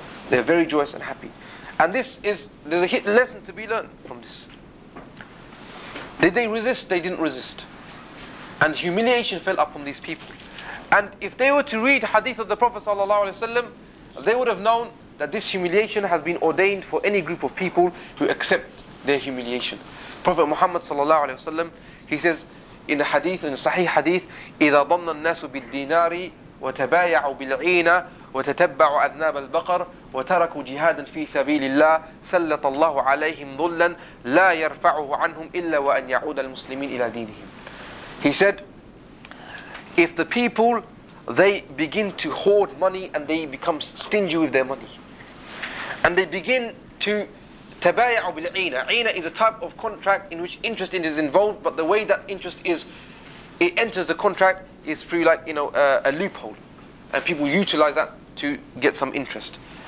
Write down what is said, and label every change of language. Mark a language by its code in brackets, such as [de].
[en] They were very joyous and happy. And this is, there's a hidden lesson to be learned from this. Did they resist? They didn't resist. And humiliation fell upon these people. And if they were to read hadith of the Prophet ﷺ, they would have known that this humiliation has been ordained for any group of people who accept their humiliation. Prophet Muhammad sallallahu alaihi wasallam, he says in the hadith, in the sahih hadith, [ar] إِذَا ضَمَّ النَّاسُ بِالدِّينَارِ وَتَبَايَعُوا بِالْعِينَ وَتَتَبَّعُوا أَذْنَابَ الْبَقَرِ وَتَرَكُوا جِهَادًا فِي سَبِيلِ اللَّهِ سَلَّطَ اللَّهُ عَلَيْهِمْ ظُلًّا لَا يَرْفَعُهُ عَنْهُمْ إِلَّا وَأَنْ يَعُودَ الْمُسْلِمِينَ إِلَى دِينِهِمْ. [en] He said, if the people, they begin to hoard money and they become stingy with their money, and they begin to [ar] tabay'u bil'ina. [en] Ina is a type of contract in which interest is involved, but the way that interest is, it enters the contract is through, like, you know, a loophole, and people utilize that to get some interest.